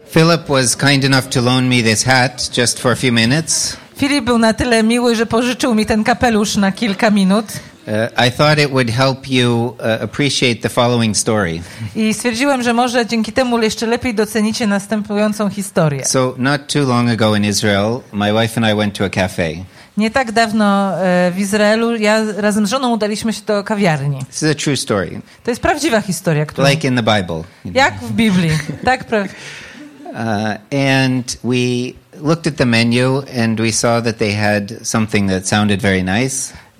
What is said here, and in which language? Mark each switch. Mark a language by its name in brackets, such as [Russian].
[English] Philip was kind enough to loan me this hat just for a few minutes. [Polish] Filip był na tyle miły, że pożyczył mi ten kapelusz na kilka minut. [English] I thought it would help you appreciate the following story. [Polish] I stwierdziłem, że może dzięki temu jeszcze lepiej docenicie następującą historię. [English] So not too long ago in Israel, my wife and I went to a cafe. [Polish] Nie tak dawno w Izraelu ja razem z żoną udaliśmy się do kawiarni. [English] This is a true story. [Polish] To jest prawdziwa historia, którą... [English] Like in the Bible. You know. [Polish] Jak w Biblii. Tak prawda. [English] And we looked at the menu and we saw that they had something that sounded very nice.